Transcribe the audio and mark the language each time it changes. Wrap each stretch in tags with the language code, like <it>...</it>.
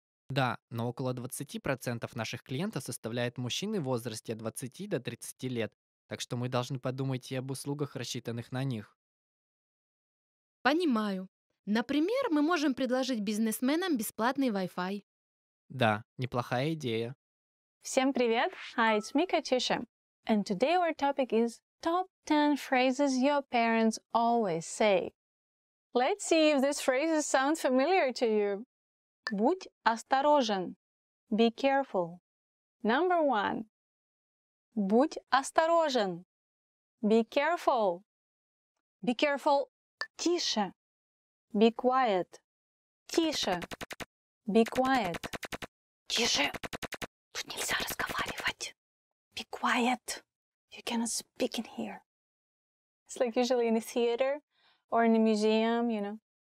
<ru>Да, но около 20% наших клиентов составляют мужчины в возрасте от 20 до 30 лет, так что мы должны подумать и об услугах, рассчитанных на них. Понимаю. Например, мы можем предложить бизнесменам бесплатный Wi-Fi. Да, неплохая идея. Всем привет!</ru> <en>Hi, it's me, Katusha. And today our topic is Top 10 phrases your parents always say. Let's see if these phrases sound familiar to you.</en> <ru>Будь осторожен.</ru> <en>Be careful. Number 1.</en> <ru>Будь осторожен.</ru> <en>Be careful. Be careful.</en> <ru>Тише.</ru> <en>Be quiet.</en> <ru>Тише.</ru> <en>Be quiet.</en> <ru>Тише. Тут нельзя разговаривать.</ru> <en>Be quiet. You cannot speak in here. It's like usually in a theater or in a museum, you know.</en>